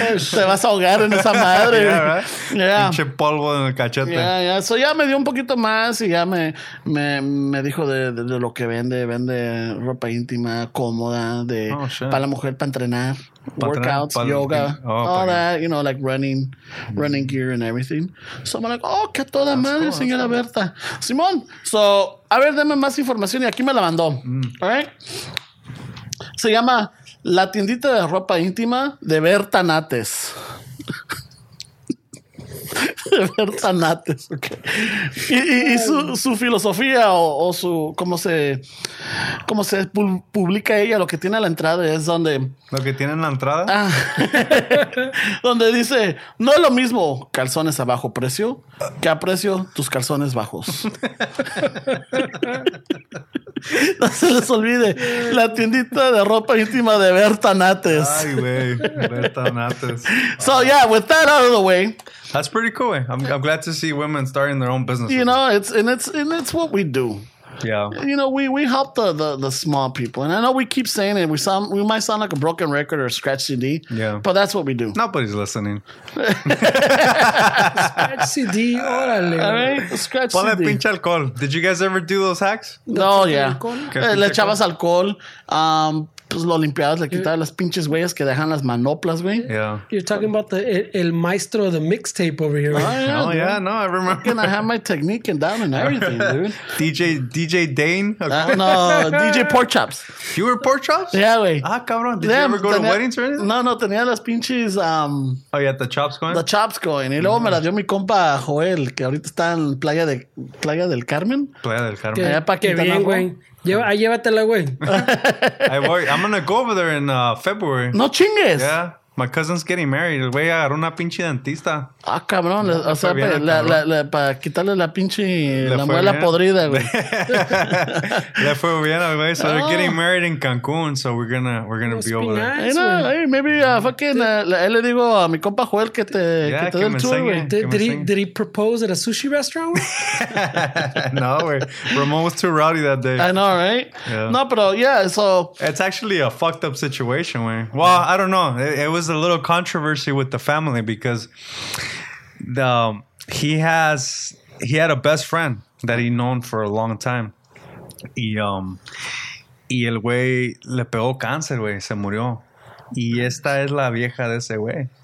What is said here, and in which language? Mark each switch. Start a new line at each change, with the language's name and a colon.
Spanish: Te vas a ahogar en esa madre. Pinche polvo en el cachete. Eso ya me dio un poquito más y ya me dijo de lo que vende. Vende ropa íntima, cómoda, para la mujer, para entrenar.
English: Workouts, yoga, all that, you know, like running gear and everything. So I'm like, oh,
Spanish: que toda
English: That's madre, cool.
Spanish: señora Berta. Simón, so, a ver, deme más información. Y aquí me la mandó. Mm.
English: All right.
Spanish: Se llama La Tiendita de Ropa Íntima de Berta Nates. De Berta Nates, ok. Y su filosofía o su, cómo se publica ella, lo que tiene a la entrada es donde... ¿Lo que tiene en la entrada? Ah, donde dice, no es lo mismo calzones a bajo precio que a precio tus calzones bajos. No se les olvide, la tiendita de ropa íntima de Berta Nates. Ay, güey, Berta Nates.
English: So, yeah, with that out of the way. That's pretty cool, güey. I'm glad to see women starting their own businesses. You know, it's what we do. Yeah. You know, we help the small people. And I know we keep saying it. We might sound like a broken record or a scratch CD. Yeah. But that's what we do. Nobody's listening. Scratch CD, órale. All right. Scratch CD.
Spanish: Ponle pinche alcohol.
English: Did you guys ever do those hacks?
Spanish: No, yeah. Le echabas alcohol. Pues lo limpiabas, le quitabas las pinches huellas que dejan las manoplas, güey.
English: Yeah. You're talking about
Spanish: el maestro
English: of the mixtape over here. Oh, yeah, no, I remember. And I have my technique and down and everything, dude. DJ Dane? DJ Pork Chops. You were Pork Chops? Yeah, güey.
Spanish: Ah, cabrón.
English: Did you ever go to weddings or anything?
Spanish: No, tenía las pinches...
English: Oh, yeah, the chops going? The chops going.
Spanish: Y luego me las dio mi compa Joel, que ahorita está en Playa del Carmen. Playa del Carmen. Que allá pa' que bien, güey. Llévatela, güey.
English: I'm going to go over there in February.
Spanish: No chingues.
English: Yeah. My cousin's getting married.
Spanish: El güey agarró una pinche dentista. Ah, cabrón. No, o sea, para quitarle la pinche... La muela podrida, güey. Le fue bien al güey.
English: So they're getting married in Cancun. So we're gonna be over there.
Spanish: Hey, maybe le digo a mi compa Joel que te, yeah, que te dé el tour, güey.
English: Did he propose at a sushi restaurant? No, güey. Ramon was too rowdy that day. I know, right? Yeah. No, pero, yeah, so... It's actually a fucked up situation, güey. Well, yeah. I don't know. It was a little controversy with the family because he had a best friend that he known for a long time.
Spanish: Y el güey le pegó cáncer, güey, se murió. Y esta es la vieja de ese güey.